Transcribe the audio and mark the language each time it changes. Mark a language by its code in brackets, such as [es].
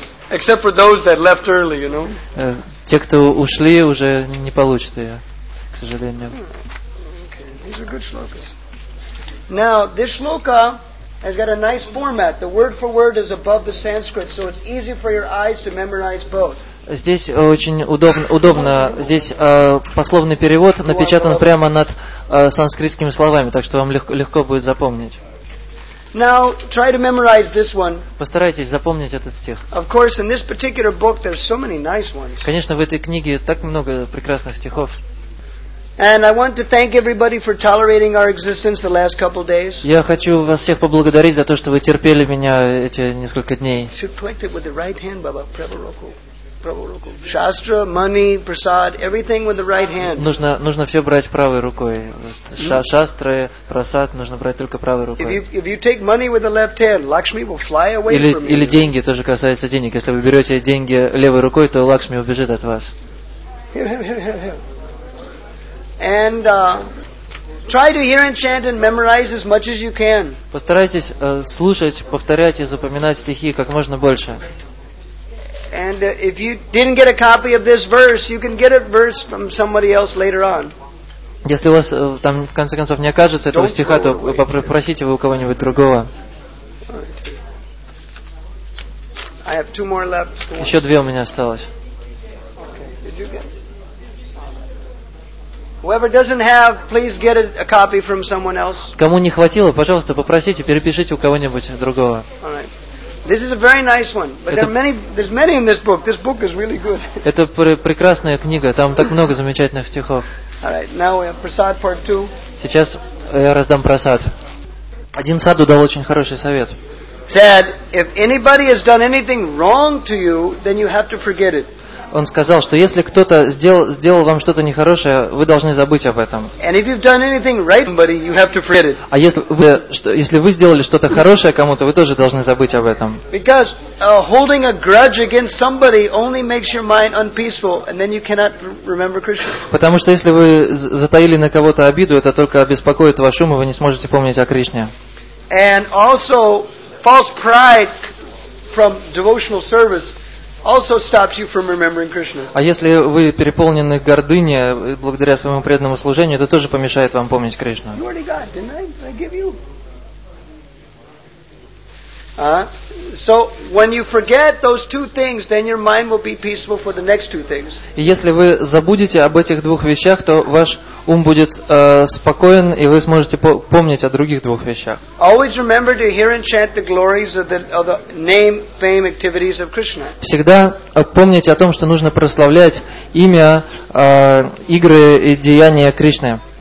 [en] Except for those that left early, you know. [ru] Те, кто ушли, уже не получат ее, к сожалению. [en] These are good shlokas. Now, this shloka has got a nice format. The word for word is above the Sanskrit, so it's easy for your eyes to memorize both. [ru] Здесь очень удобно. Здесь пословный перевод напечатан прямо над санскритскими словами, так что вам легко будет запомнить. [en] Now, try to memorize this one. [ru] Постарайтесь запомнить этот стих. [en] Of course, in this particular book, there's so many nice ones. [ru] Конечно, в этой книге так много прекрасных стихов. [en] And I want to thank everybody for tolerating our existence the last couple days. [ru] Я хочу вас всех поблагодарить за то, что вы терпели меня эти несколько дней. [en] Should collect it with the right hand, Baba. Prabhu Roku. Shastra, money, prasad, everything with the right hand. [ru] Нужно все брать правой рукой. Шастра, прасад, нужно брать только правой рукой. [en] If you take money with the left hand, Lakshmi will fly away from you. [ru] Или деньги, тоже касается денег. Если вы берете деньги левой рукой, то Лакшми убежит от вас. [en] Here. And try to hear and chant and memorize as much as you can. [ru] Постарайтесь слушать, повторять и запоминать стихи как можно больше. [en] And if you didn't get a copy of this verse, you can get a verse from somebody else later on. [ru] Если у вас там в конце концов не окажется этого стиха, то попросите у кого-нибудь другого. [en] I have two more left. [ru] Еще две у меня осталось. [en] Okay. Did you get? Whoever doesn't have, please get a copy from someone else. [ru] Кому не хватило, пожалуйста, попросите, перепишите у кого-нибудь другого. [en] All right. This is a very nice one, but there's many in this book. This book is really good. [ru] Это прекрасная книга. Там так много замечательных стихов. [en] All right. Now we have prasad part two. [ru] Сейчас я раздам прасад. Один саду дал очень хороший совет. [en] Said, if anybody has done anything wrong to you, then you have to forget it. [ru] он сказал, что если кто-то сделал вам что-то нехорошее, вы должны забыть об этом. А если вы сделали что-то хорошее кому-то, вы тоже должны забыть об этом. [en] Because holding a grudge against somebody only makes your mind unpeaceful, and then you cannot remember Krishna. [ru] Потому что если вы затаили на кого-то обиду, это только обеспокоит ваш ум, и вы не сможете помнить о Кришне. [en] And also false pride from devotional service also stops you from remembering Krishna. [ru] А если вы переполнены гордыней благодаря своему преданному служению, это тоже помешает вам помнить Кришну. [en] You already got, didn't I? I give you. So when you forget those two things, then your mind will be peaceful for the next two things. [ru] И если вы забудете об этих двух вещах, то ваш ум будет спокоен, и вы сможете помнить о других двух вещах. [en] Always remember to hear and chant the glories of the name, fame, activities of Krishna. [ru] Всегда помните о том, что нужно прославлять имя, игры и деяния Кришны.